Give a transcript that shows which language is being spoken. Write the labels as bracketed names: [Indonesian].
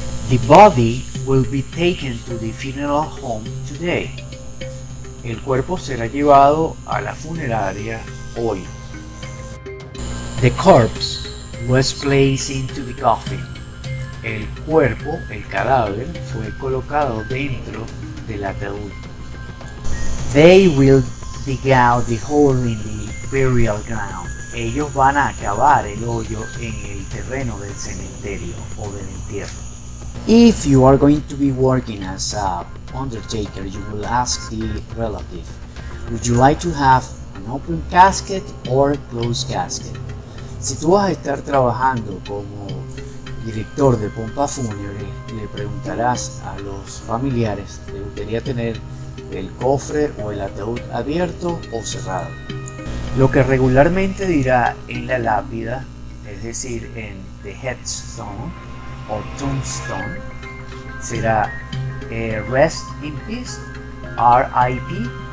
[English] The body will be taken to the funeral home today. [Spanish] El cuerpo será llevado a la funeraria hoy. [English] The corpse was placed into the coffin. [Spanish] El cadáver, fue colocado dentro del ataúd. [English] They will dig out the hole in the burial ground. [Spanish] Ellos van a cavar el hoyo en el terreno del cementerio o del entierro. [English] If you are going to be working as a undertaker, you will ask the relative, would you like to have an open casket or a closed casket? [Spanish] Si tú vas a estar trabajando como director de pompa fúnebre, le preguntarás a los familiares, ¿te gustaría tener el cofre o el ataúd abierto o cerrado? Lo que regularmente dirá en la lápida, es decir, en the headstone, o tombstone, será [English] rest in peace, [Spanish] R.I.P.